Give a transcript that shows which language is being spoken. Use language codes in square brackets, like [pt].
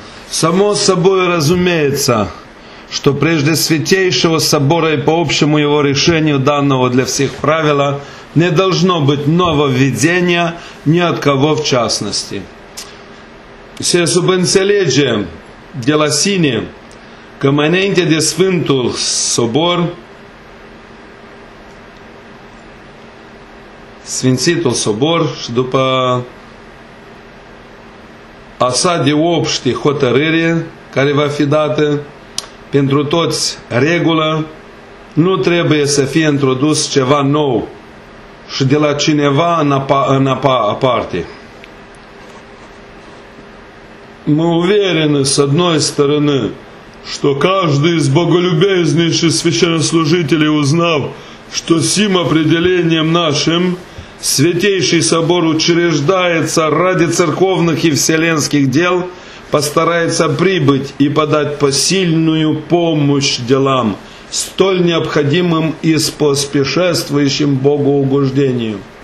[ru] Само собой разумеется, что прежде Святейшего Собора и по общему его решению, данного для всех правила, не должно быть нововведения ни от кого в частности. [ro] Se subînțelege de la sine că mai înainte de Sfântul Sobor, Sfințitul Sobor și după a sa de obște hotărâre care va fi dată pentru toți regulă, nu trebuie să fie introdus ceva nou și de la cineva aparte. [ru] Мы уверены, с одной стороны, что каждый из боголюбезнейших священнослужителей, узнав, что сим определением нашим Святейший Собор учреждается ради церковных и вселенских дел, постарается прибыть и подать посильную помощь делам, столь необходимым и споспешествующим Богу угождению.